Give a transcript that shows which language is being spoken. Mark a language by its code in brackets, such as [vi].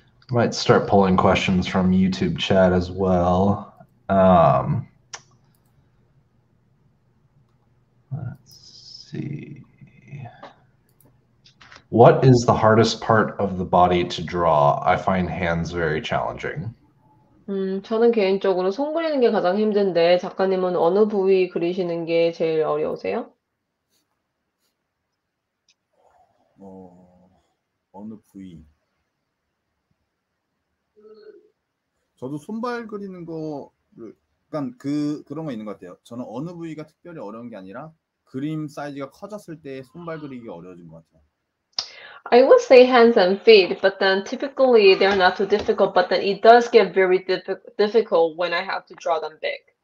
[en] Might start pulling questions from YouTube chat as well. Let's see. What is the hardest part of the body to draw? I find hands very challenging. [ko] 저는 개인적으로 손 그리는 게 가장 힘든데 작가님은 어느 부위 그리시는 게 제일 어려우세요? 어느 부위? 저도 손발 그리는 거를 약간 그런 거 있는 것 같아요. 저는 어느 부위가 특별히 어려운 게 아니라 그림 사이즈가 커졌을 때 손발 그리기가 어려워진 것 같아요. [en] I would say hands and feet, but then typically they're not too difficult, but then it does get very difficult when I have to draw them big.